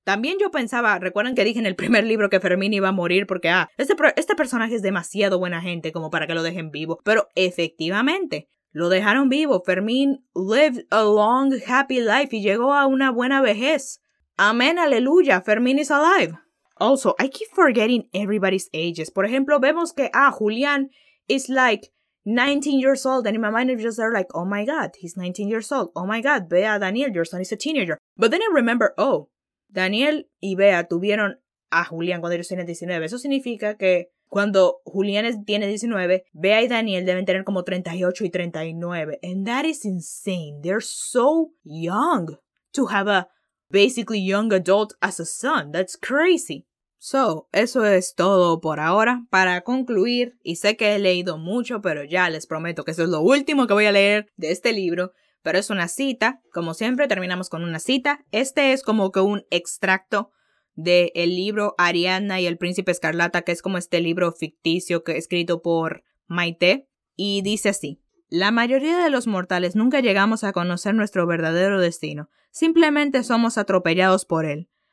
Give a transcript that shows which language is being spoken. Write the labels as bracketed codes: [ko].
[es] También yo pensaba, recuerden que dije en el primer libro que Fermín iba a morir porque, este personaje es demasiado buena gente como para que lo dejen vivo. Pero efectivamente, lo dejaron vivo. Fermín [en] lived a long, happy life [es] y llegó a una buena vejez. Amén, aleluya. [en] Fermín is alive. Also, I keep forgetting everybody's ages. [es] Por ejemplo, vemos que, [en] Julián is like 19 years old. And in my mind, I'm just there like, oh my God, he's 19 years old. Oh my God, Bea, Daniel, your son is a teenager. But then I remember, [es] Daniel y Bea tuvieron a Julián cuando ellos tenían 19. Eso significa que cuando Julián tiene 19, Bea y Daniel deben tener como 38 y 39. [en] And that is insane. They're so young to have a basically young adult as a son. That's crazy. So, [es] eso es todo por ahora. Para concluir, y sé que he leído mucho, pero ya les prometo que eso es lo último que voy a leer de este libro. Pero es una cita. Como siempre, terminamos con una cita. Este es como que un extracto de el libro Ariadna y el Príncipe Escarlata, que es como este libro ficticio que escrito por Maite, y dice así: la mayoría de los mortales nunca llegamos a conocer nuestro verdadero destino, simplemente somos atropellados por él.